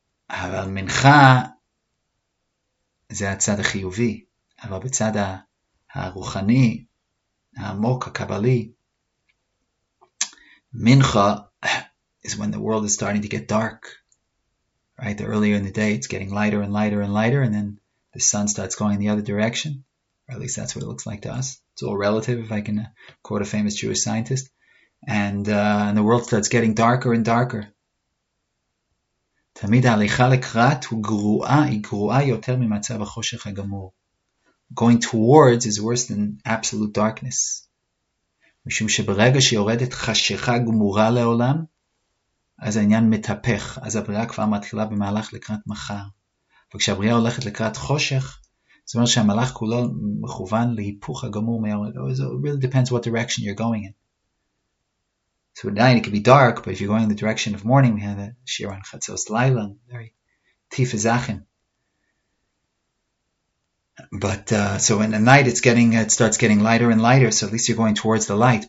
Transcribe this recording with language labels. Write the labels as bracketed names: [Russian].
[Hebrew] Aval mincha זה הצד החיובי, אבל בצד הרוחני, העמוק, הקבלי, מנחה [English] is when the world is starting to get dark, right? The earlier in the day, it's getting lighter and lighter and lighter, and then the sun starts going in the other direction, or at least that's what it looks like to us. It's all relative, if I can quote a famous Jewish scientist. And the world starts getting darker and darker. [Hebrew] תמיד ההליכה לקראת הוא גרועה, היא גרועה יותר ממצב החושך הגמור. [English] Going towards is worse than absolute darkness. [Hebrew] משום שברגע שיורדת חשיכה גמורה לעולם, אז העניין מתהפך, אז הבריאה כבר מתחילה במהלך לקראת מחר. וכשהבריאה הולכת לקראת חושך, זאת אומרת שהמהלך כולו מכוון להיפוך הגמור מהיורד. [English] It really depends what direction you're going in. So at night it can be dark, but if you're going in the direction of morning, we have the [Hebrew] Shiran Chatzos Laila, very Tifa Zachin. [English] But so in the night it starts getting lighter and lighter, so at least you're going towards the light.